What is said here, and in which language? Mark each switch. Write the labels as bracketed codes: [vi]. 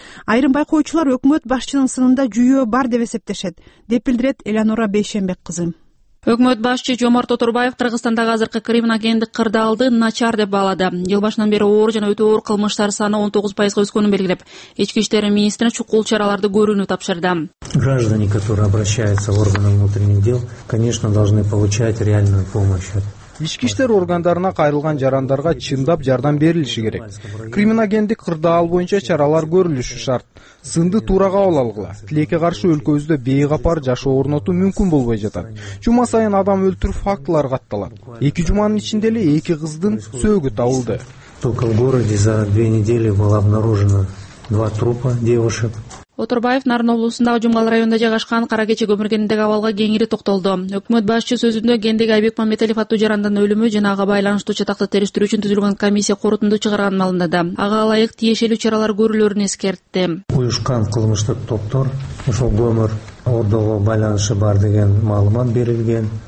[ky] Айрым байкоочулар өкмөт башчынын сынында жүйө бар деп эсептешет, деп билдирет Элеонора Бейшенбек кызы. Өкмөт башчы Жомарт Отурбаев Кыргызстандагы азыркы криминогендик кырдаалды начар деп баалады. Жыл башынан бери оор жана өтө оор кылмыштар саны 19% өскөнүн белгилеп, ички иштер министрине чукул чараларды көрүүнү тапшырды. [ru] Граждане, которые обращаются в органы внутренних дел, конечно, должны получать реальную помощь. [ky] Ички иштер органдарына кайрылган жарандарга чындап жардам берилиши керек. Криминогендик кырдаал боюнча чаралар көрүлүшү шарт. Сынды туура кабыл алгыла. Тилекке каршы өлкөбүздө бейкапар жашоо орнотуу мүмкүн болбой жатат. Жума сайын адам өлтүрүү фактылары катталат. Эки жуманын ичинде эле эки кыздын сөөгү табылды. [ru] Токол городе за 2 недели было обнаружено 2 трупа девушек. [ky] Отурбаев Нарын облусундагы Жумгал районунда жайгашкан кара кечээ көмүр кенендеги абалга кеңири токтолду. Өкмөт башчы сөзүндө Кендик Айбекмамбетелев аттуу жарандын өлүмү жана ага байланыштуу чатакты териштирүү үчүн түзүлгөн комиссия корутунду чыгарганын маалымдады. Ага ылайык тиешелүү чаралар көрүлөрүн эскертти. Уюшкан кылмыштык топтор ошол көмүр ордого байланышы бар деген маалымат берилген.